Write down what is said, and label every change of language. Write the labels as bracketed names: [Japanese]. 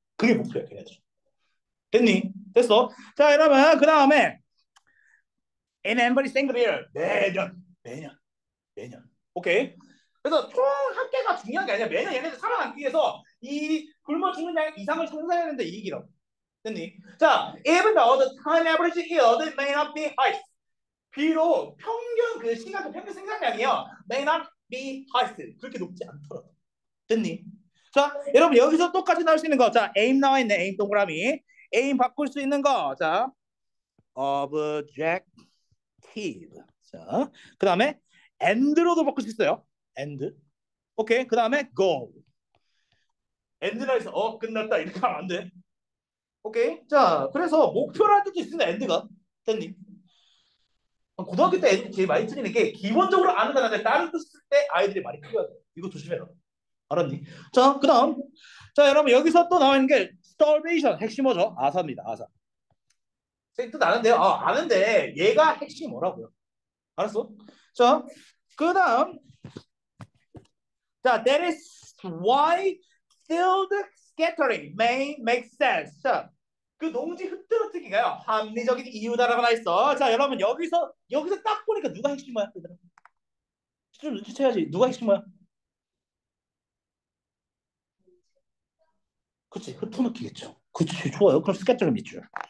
[Korean] 그게 목표야 걔네들. 됐니? 됐어? 자 여러분 그 다음에 [English] in every single year [Korean] 매년 오케이. 그래서 총 한 개가 중요한 게 아니야. 매년 얘네들 살아남기 위해서 이 굶어 죽는 양 이상을 생산해야 되는데 이 얘기라고. 됐니? [English] 자 even though the time average yield may not be high. [Korean] 비록 평균 그 시간 그 평균 생산량이요 [English] may not be high [Korean] 그렇게 높지 않더라도 됐니? 자 여러분 여기서 똑같이 나올 수 있는 거 자 aim 나와 있네 aim 동그라미 aim 바꿀 수 있는 거 자 objective 자 그 다음에 end로도 바꿀 수 있어요 end 오케이 그 다음에 goal end라 해서 어 끝났다 이렇게 하면 안 돼 오케이 자 그래서 목표라는 뜻도 있습니다 end가 됐니? 고등학교 때 애들이 제일 많이 틀리는 게 기본적으로 아는 단어인데 다른 뜻 쓸 때 아이들이 많이 틀려요. 이거 조심해라. 알았니? 자, 그 다음. 자, 여러분 여기서 또 나와 있는 게 starvation, 핵심어죠. 아사입니다. 아사. 뜻 아는데요? 아, 아는데 얘가 핵심어라고요. 알았어? 자, 그 다음. [English] 자, that is why field scattering may make sense. [Korean] 자, 그 농지 흩뜨러뜨기가요 합리적인 이유다라고 나 있어. 자 여러분 여기서 딱 보니까 누가 핵심이야? 좀 눈치채야지. 누가 핵심이야? 그렇지 흩어놓기겠죠. 그렇지 좋아요. 그럼 스캐터링 있죠.